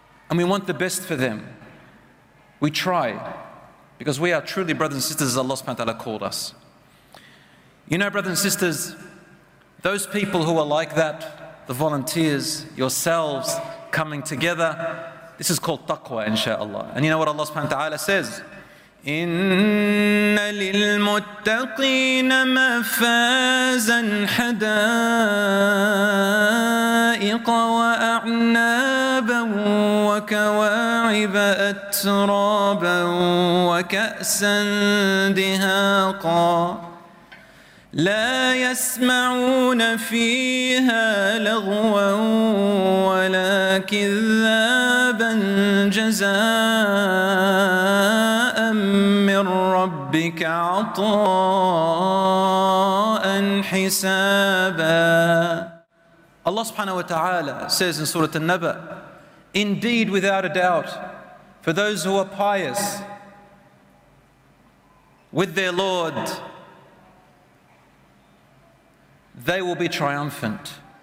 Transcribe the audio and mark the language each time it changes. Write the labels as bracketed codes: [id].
[en] And we want the best for them. We try, because we are truly brothers and sisters as Allah subhanahu wa ta'ala called us. You know, brothers and sisters, those people who are like that, the volunteers, yourselves, coming together, this is called taqwa, inshaAllah. And you know what Allah subhanahu wa ta'ala says? [ar] إِنَّ لِلْمُتَّقِينَ مَفَازًا حَدَائِقَ وَأَعْنَابًا وَكَوَاعِبَ أَتْرَابًا وَكَأْسًا دِهَاقًا لا يسمعون فيها لغوا ولا كذابا جزاء من ربك عطاء حسابا. [en] Allah subhanahu wa ta'ala says in Surah An-Naba, indeed, without a doubt, for those who are pious with their Lord, they will be triumphant.